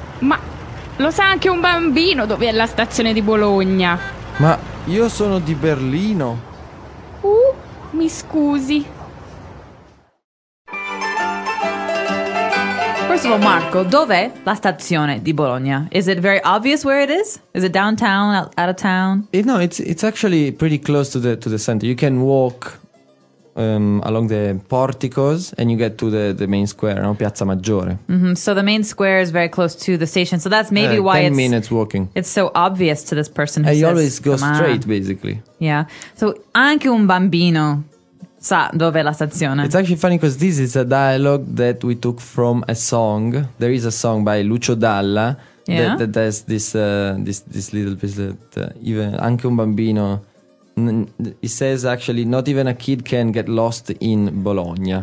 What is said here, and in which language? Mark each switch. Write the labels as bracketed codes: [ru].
[it] Ma lo sa anche un bambino dov'è la stazione di Bologna. Ma io sono di Berlino. Mi scusi. [en] First of all, Marco, [it] dov'è la stazione di Bologna? [en] Is it very obvious where it is? Is it downtown, out of town? No, it's actually pretty close to the center. You can walk along the porticos and you get to the main square, no? [it] Piazza Maggiore. Mm-hmm. [en] So the main square is very close to the station. So that's maybe why 10 minutes walking. It's so obvious to this person who says, always go straight, basically. Yeah. [it] So anche un bambino sa dove la stazione. [en] It's actually funny because this is a dialogue that we took from a song. There is a song by Lucio Dalla that has this little piece that even [it] anche un bambino. [en] It says actually not even a kid can get lost in Bologna.